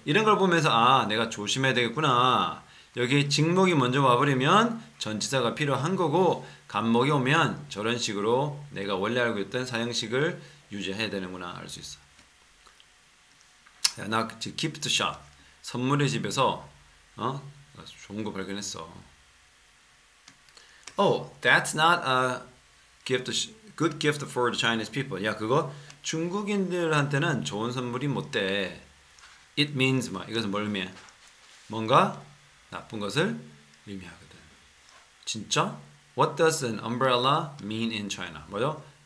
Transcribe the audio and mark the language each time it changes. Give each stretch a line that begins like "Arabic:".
Korean: 이런 걸 보면서 아, 내가 조심해야 되겠구나. 여기 직목이 먼저 와버리면 전치사가 필요한 거고 감목이 오면 저런 식으로 내가 원래 알고 있던 사형식을 유지해야 되는구나 알 수 있어. 야, 나 지금 기프트 샵 선물의 집에서 좋은 거 발견했어.
English: Oh, that's not a gift, good gift for the Chinese people.
Korean: 야, 그거 중국인들한테는 좋은 선물이 못 돼.
English: It means
Korean: 뭐? 이것은 뭘 의미해? 뭔가 나쁜 것을 의미하거든. 진짜?
English: What does an umbrella mean in China?
Korean: 뭐죠?